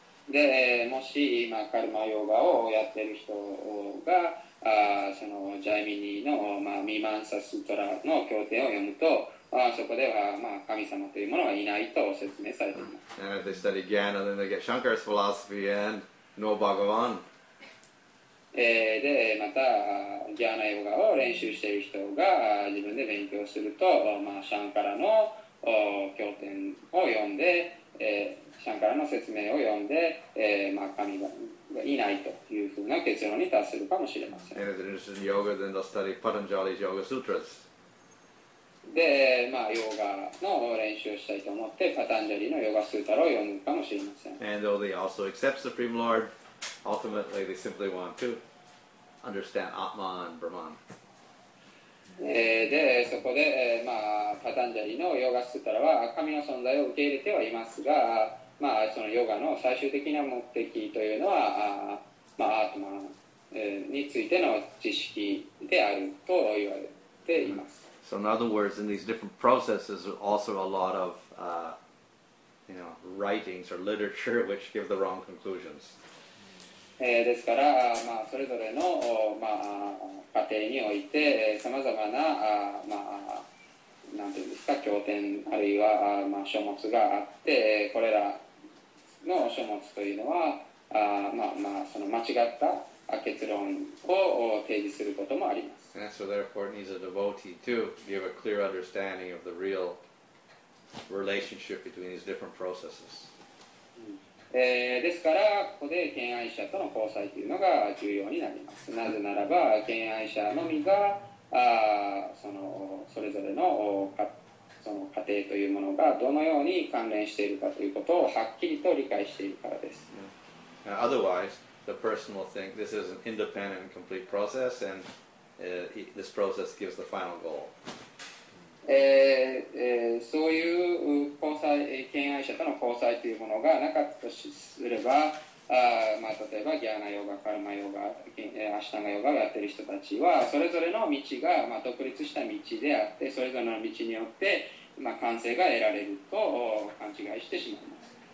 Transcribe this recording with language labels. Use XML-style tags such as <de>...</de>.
<ja>で、もし今カルマヨガをやってる人が、そのジャイミニの、まあ、ミマンサストラの経典を読むと、そこでは、まあ、神様というものはいないと説明されています。</ja> <en>And if they study Gyana, then they get Shankar's philosophy and no Bhagavan.</en> <ja>で、またギャーナヨガを練習している人が自分で勉強すると、まあ、シャンカラの経典を読んで、シャンカラの説明を読んで、まあ、神がいないというふうな結論に達するかもしれません。</ja> <en>And if they're interested in yoga, then they'll study Patanjali's Yoga Sutras.</en> <ja>で、まあ、ヨガの練習をしたいと思ってパタンジャリのヨガスータラを読むかもしれません。</ja> <en>And though they also accept Supreme Lord, ultimately they simply want to understand Atman, Brahman.</en> <ja>で、そこで、まあ、パタンジャリのヨガスータラは神の存在を受け入れてはいますが、まあ、そのヨガの最終的な目的というのは、まあ、アートマンについての知識であると言われています。</ja> <en>So in other words, in these different processes, also a lot of, you know, writings or literature which give the wrong conclusions.</en> <ja>ですから、まあ、それぞれの、まあ、過程において、様々な、まあ、なんていうんですか、経典あるいは、まあ、書物があって、これらの書物というのは、まあ、まあ、その間違った結論を提示することもあります。</ja> <en>And so therefore it needs a devotee too, to give a clear understanding of the real relationship between these different processes.</en> <ja>ですからここで見愛者との交際というのが重要になります。なぜならば見愛者のみが、それぞれの、その過程というものがどのように関連しているかということをはっきりと理解しているからです。</ja> <en>Otherwise the person will think this is an independent and complete process andthis process gives the final goal.</en> <ja>そういう交際、見愛者との交際というものがなかったとすれば、まあ、例えばギャーナヨガ、カルマヨガ、アシタンガヨガをやっている人たちはそれぞれの道が、まあ、独立した道であって、それぞれの道によって、まあ、完成が得られると勘違いしてしまいます。</ja>